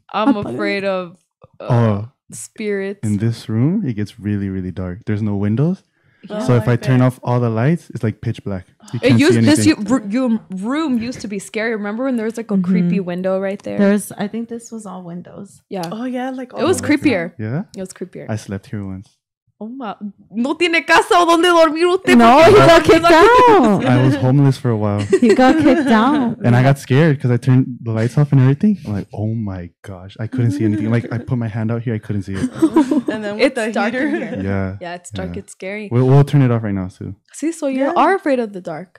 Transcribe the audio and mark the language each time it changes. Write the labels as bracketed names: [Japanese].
[English] I'm afraid of spirits. In this room, it gets really, really dark. There's no windows. Yeah, so if I turn off all the lights, it's like pitch black. Room used to be scary. Remember when there was like a creepy window right there? I think this was all windows. Yeah. Oh yeah, like all it was creepier. Time. Yeah. It was creepier. I slept here once. Oh my! [Spanish] No tiene casa donde dormir usted. [English] No, he got kicked out. I was homeless for a while. He got kicked out. And I got scared because I turned the lights off and everything. I'm like, oh my gosh, I couldn't see anything. Like I put my hand out here, I couldn't see it. And then with it's the dark heater. Yeah. Yeah, it's dark. Yeah. It's scary. We'll turn it off right now, Sue. See, so you are afraid of the dark.